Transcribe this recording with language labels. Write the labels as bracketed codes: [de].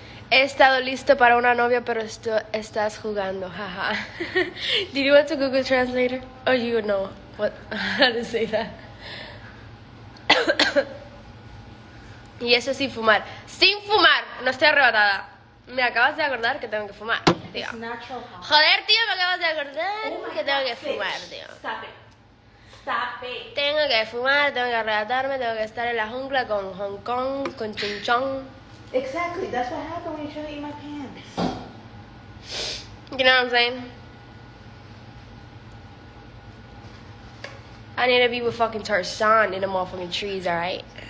[es] He estado listo para una novia, pero estás jugando, jaja. [en] Did you want to Google Translator? Or you know what, how to say that? [es] Y eso sin fumar. Sin fumar, no estoy arrebatada. Me acabas de acordar que tengo que fumar, tío. [en] It's natural, huh? [es] Joder, tío, me acabas de acordar que tengo que fumar, tío. [en] Stop it. Stop it. [es] Tengo que fumar, tengo que arrebatarme, tengo que estar en la jungla con Hong Kong, con Ching Chong. [en] Exactly, that's what happened when you tried to eat my pants. You know what I'm saying? I need to be with fucking Tarzan in the motherfucking trees, alright?